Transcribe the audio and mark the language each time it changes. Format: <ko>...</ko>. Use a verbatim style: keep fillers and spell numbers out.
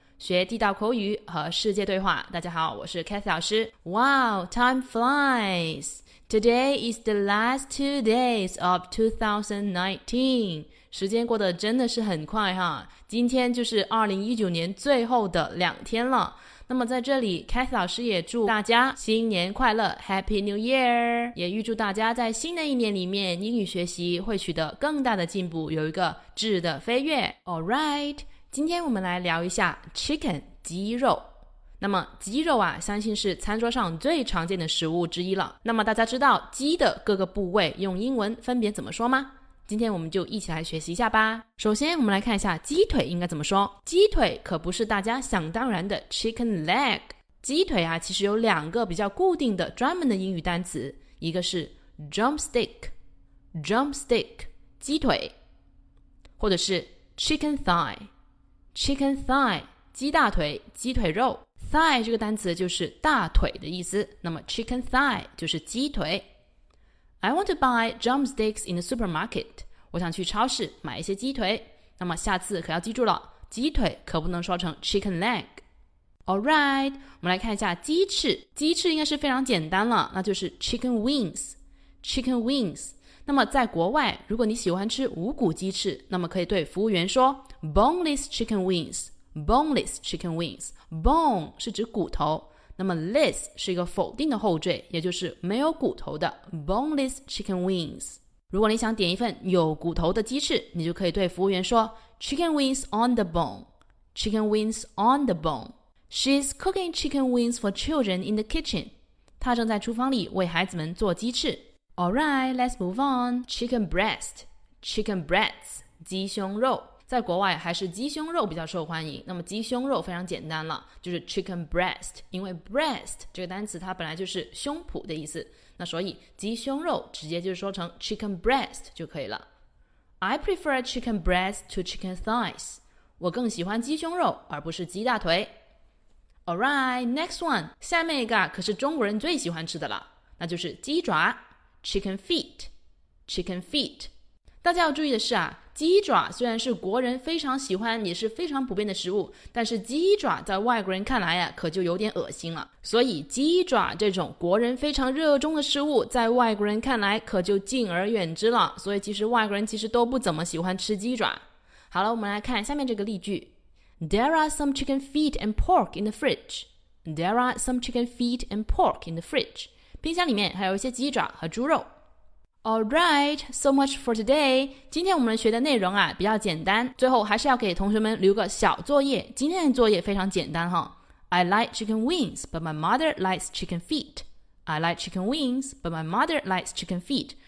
<zh>学地道口语和世界对话。大家好，我是 Kathy 老师。</zh> <en>Wow, time flies. Today is the last two days of twenty nineteen.</en> <zh>时间过得真的是很快哈，今天就是二零一九年最后的两天了。那么在这里 Kathy 老师也祝大家新年快乐</zh> <en>Happy New Year，</en> <zh>也预祝大家在新的一年里面英语学习会取得更大的进步，有一个质的飞跃。 Alright， 今天我们来聊一下 chicken 鸡肉。那么鸡肉啊，相信是餐桌上最常见的食物之一了。那么大家知道鸡的各个部位用英文分别怎么说吗？今天我们就一起来学习一下吧。首先我们来看一下鸡腿应该怎么说。鸡腿可不是大家想当然的 chicken leg。鸡腿啊，其实有两个比较固定的专门的英语单词，一个是 drumstick drumstick 鸡腿，或者是 chicken thigh chicken thigh 鸡大腿鸡腿肉。 thigh 这个单词就是大腿的意思，那么 chicken thigh 就是鸡腿。</zh> <en>I want to buy drumsticks in the supermarket.</en> <zh>我想去超市买一些鸡腿。那么下次可要记住了，鸡腿可不能说成 chicken leg。 Alright， 我们来看一下鸡翅。鸡翅应该是非常简单了，那就是 chicken wings chicken wings。那么在国外，如果你喜欢吃无骨鸡翅，那么可以对服务员说 boneless chicken wings boneless chicken wings。 bone 是指骨头，那么 less 是一个否定的后缀，也就是没有骨头的 boneless chicken wings。如果你想点一份有骨头的鸡翅，你就可以对服务员说</zh> <en>chicken wings on the bone</en> <zh>chicken wings on the bone。</zh> <en>She's cooking chicken wings for children in the kitchen.</en> <zh>她正在厨房里为孩子们做鸡翅。</zh> <en>Alright, let's move on. Chicken breast chicken breasts 鸡胸肉。</en> <zh>在国外还是鸡胸肉比较受欢迎，那么鸡胸肉非常简单了，就是 chicken breast， 因为 breast 这个单词它本来就是胸脯的意思，那所以鸡胸肉直接就是说成 chicken breast 就可以了。</zh> <en>I prefer chicken breast to chicken thighs.</en> <zh>我更喜欢鸡胸肉而不是鸡大腿。</zh> <en>Alright, next one，</en> <zh>下面一个可是中国人最喜欢吃的了，那就是鸡爪 chicken feet chicken feet。大家要注意的是啊，鸡爪虽然是国人非常喜欢也是非常普遍的食物，但是鸡爪在外国人看来啊，可就有点恶心了。所以鸡爪这种国人非常热衷的食物，在外国人看来可就敬而远之了，所以其实外国人其实都不怎么喜欢吃鸡爪。好了，我们来看下面这个例句。</zh> <en>There are some chicken feet and pork in the fridge. There are some chicken feet and pork in the fridge.</en> <zh>冰箱里面还有一些鸡爪和猪肉。</zh> <en>Alright, so much for today.</en> <zh>今天我们学的内容啊比较简单，最后还是要给同学们留个小作业。今天的作业非常简单哈。</zh> <en>I like chicken wings, but my mother likes chicken feet. I like chicken wings, but my mother likes chicken feet.</en>